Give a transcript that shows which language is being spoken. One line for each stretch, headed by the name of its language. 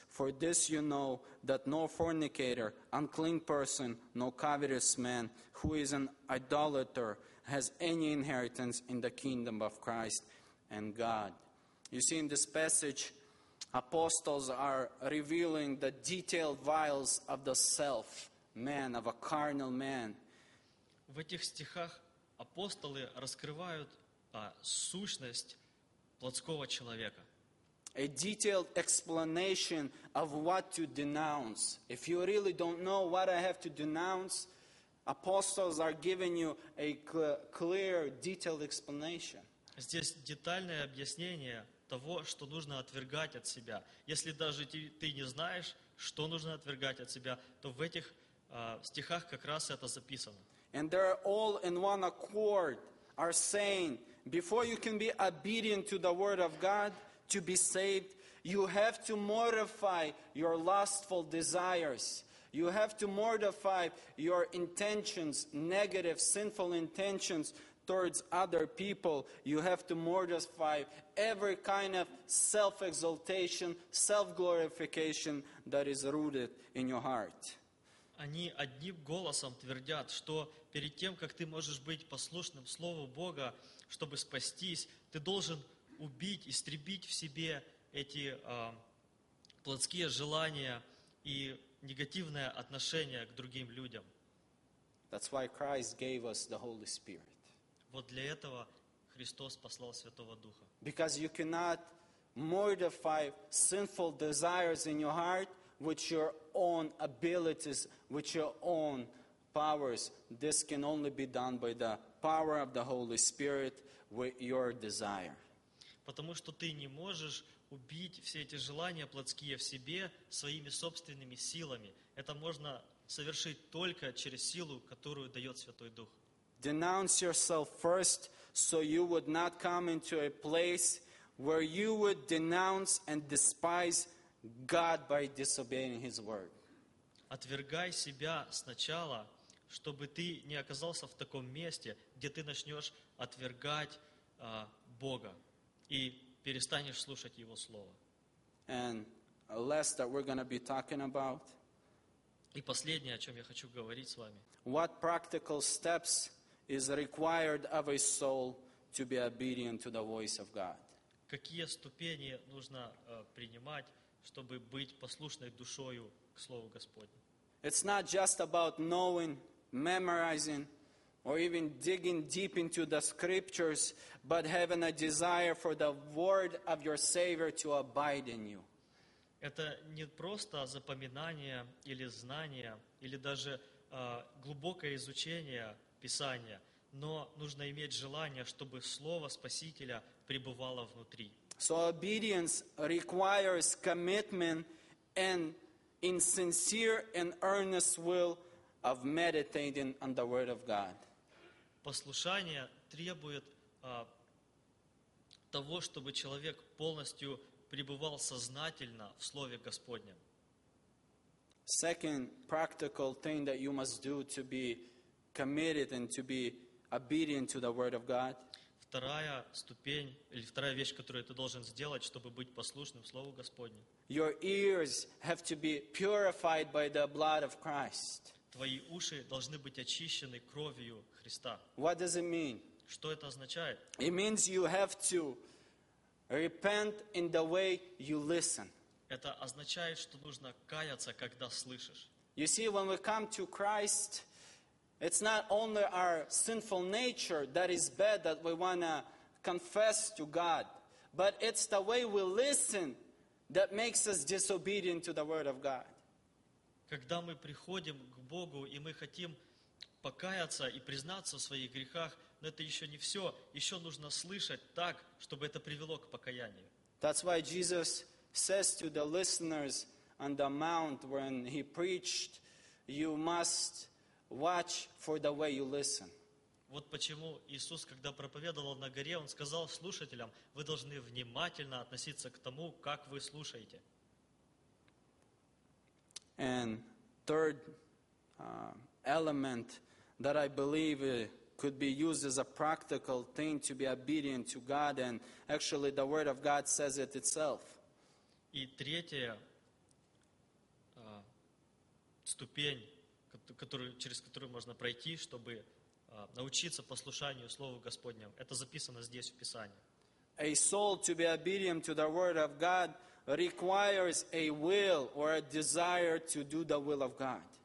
English: For this you know, that no fornicator, unclean person, no covetous man, who is an idolater, has any inheritance in the kingdom of Christ and God. You see, in this passage, apostles are revealing the detailed vials of the self, man, of a carnal man.
Russian: В этих стихах апостолы раскрывают сущность плотского человека.
English: A detailed explanation of what to denounce. If you really don't know what I have to denounce, apostles are giving you a clear, detailed explanation.
Russian: Здесь детальное объяснение того, что нужно отвергать от себя. Если даже ты не знаешь, что нужно отвергать от себя, то в этих стихах как раз это записано.
English: And they're all in one accord are saying, before you can be obedient to the word of God to be saved, you have to mortify your lustful desires. You have to mortify your intentions, negative, sinful intentions towards other people. You have to mortify every kind of self-exaltation, self-glorification that is rooted in your heart.
Russian: Они одним голосом твердят, что перед тем, как ты можешь быть послушным Слову Бога, чтобы спастись, ты должен убить, истребить в себе эти плотские желания и негативное отношение к другим людям.
English: That's why Christ gave us the Holy Spirit.
Russian: Вот для этого Христос послал Святого Духа.
English: Because you cannot mortify sinful desires in your heart with your own abilities, with your own powers. This can only be done by the power of the Holy Spirit with your desire.
Russian: Потому что ты не можешь убить все эти желания плотские в себе своими собственными силами. Это можно совершить только через силу, которую дает Святой Дух.
English: Denounce yourself first so you would not come into a place where you would denounce and despise God by disobeying His word.
Russian: Отвергай себя сначала, чтобы ты не оказался в таком месте, где ты начнешь отвергать Бога и перестанешь слушать Его Слово.
English: And last that we're going to be talking about.
Russian: И последнее, о чем я хочу говорить с вами.
English: What practical steps is required of a soul to be obedient to the voice of God.
Russian: Какие ступени нужно принимать, чтобы быть послушной душою к Слову Господню?
English: It's not just about knowing, memorizing or even digging deep into the scriptures, but having a desire for the word of your Savior to abide in you.
Russian: Это не просто запоминание или знание, или даже глубокое изучение Писания, но нужно иметь желание, чтобы Слово Спасителя пребывало внутри.
English: So obedience requires commitment and in sincere and earnest will of meditating on the Word of God.
Russian: Послушание требует того, чтобы человек полностью пребывал сознательно в Слове Господнем.
English: Second practical thing that you must do to be committed and to be obedient to the Word of God.
Russian: Вторая ступень или вторая вещь, которую ты должен сделать, чтобы быть послушным Слову Господню.
English: Your ears have to be purified by the blood of Christ.
Russian: Твои уши должны быть очищены кровью Христа.
English: What does it mean?
Russian: Что это означает?
English: It means you have to repent in the way you listen.
Russian: Это означает, что нужно каяться, когда слышишь.
English: You see, when we come to Christ, it's not only our sinful nature that is bad that we want to confess to God, but it's the way we listen that makes us disobedient to the Word of God.
Russian: Когда мы приходим к Богу, и мы хотим покаяться и признаться в своих грехах, но это еще не все. Еще нужно слышать так, чтобы это привело к покаянию.
English: That's why Jesus says to the listeners on the mount when he preached, you must watch for the way you listen.
Russian: Вот почему Иисус, когда проповедовал на горе, он сказал слушателям, вы должны внимательно относиться к тому, как вы слушаете.
English: And third element that I believe could be used as a practical thing to be obedient to God, and actually the Word of God says it itself.
Russian: И третья ступень, через которую можно пройти, чтобы научиться послушанию Слову Господнему, это записано здесь в Писании.
English: A soul to be obedient to the Word of God requires a will or a desire to do the will of God.